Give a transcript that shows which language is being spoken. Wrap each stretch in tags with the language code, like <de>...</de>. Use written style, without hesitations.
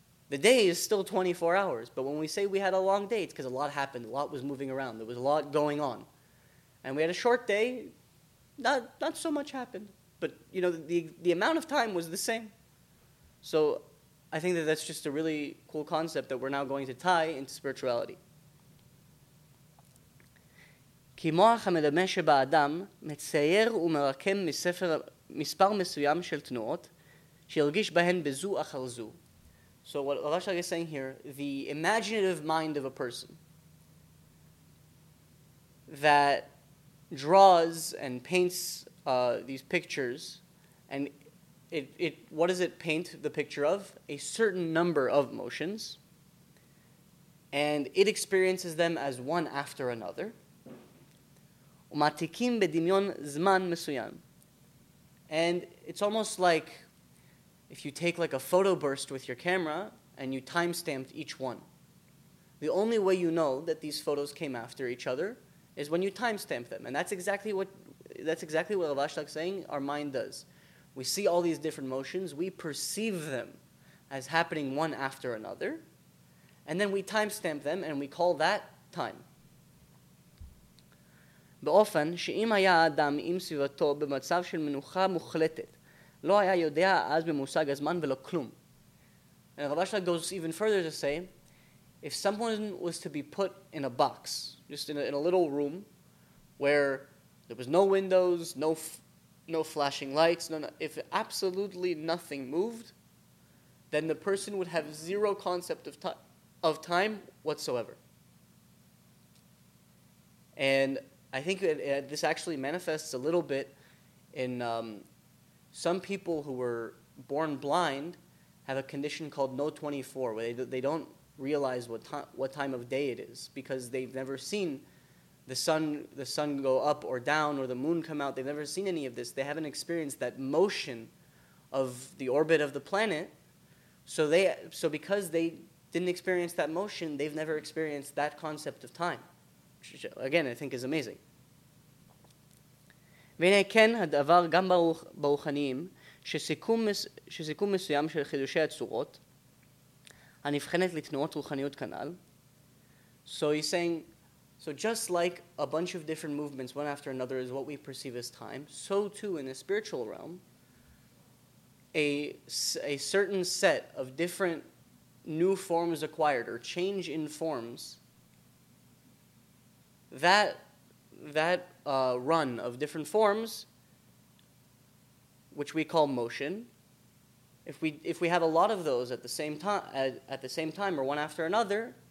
<en>The day is still 24 hours, but when we say we had a long day, it's because a lot happened, a lot was moving around, there was a lot going on. And we had a short day, not so much happened, but you know, the amount of time was the same. So I think that that's just a really cool concept that we're now going to tie into spirituality.</en> <he>כי מוח המדמה שבאדם מצייר ומרקם מספר מספר מסוים של תנועות שירגיש בהן בזו אחר זו.</he> <en>So what Rav Ashlag is saying here, the imaginative mind of a person that draws and paints these pictures, and it what does it paint the picture of? A certain number of motions, and it experiences them as one after another.</en> <he>ומעתיקים בדמיון זמן מסוים.</he> <en>And it's almost like if you take like a photo burst with your camera and you time-stamped each one. The only way you know that these photos came after each other is when you time-stamp them. And that's exactly what Rav Ashlag is saying our mind does. We see all these different motions, we perceive them as happening one after another, and then we timestamp them and we call that time.</en> <he>באופן שאם היה אדם עם סביבתו במצב של מנוחה מוחלטת, לא היה יודע אז במושג הזמן ולא כלום.</he> <en>And Rav Ashlag goes even further to say, if someone was to be put in a box, just in a little room, where there was no windows, no flashing lights, if absolutely nothing moved, then the person would have zero concept of time whatsoever. And I think this actually manifests a little bit in some people who were born blind have a condition called no 24, where they don't realize what time of day it is, because they've never seen the sun go up or down, or the moon come out. They've never seen any of this. They haven't experienced that motion of the orbit of the planet. So because they didn't experience that motion, they've never experienced that concept of time, which again, I think is amazing.</en> <he>והנה כן הדבר גם ברוחניים, שסיכום מסוים של חידושי הצורות, הנבחנת לתנועות רוחניות כנל.</he> <en>So he's saying, so just like a bunch of different movements, one after another, is what we perceive as time, so too in the spiritual realm, a certain set of different new forms acquired, or change in forms, that run of different forms, which we call motion, if we have a lot of those at the same time, or one after another,</en>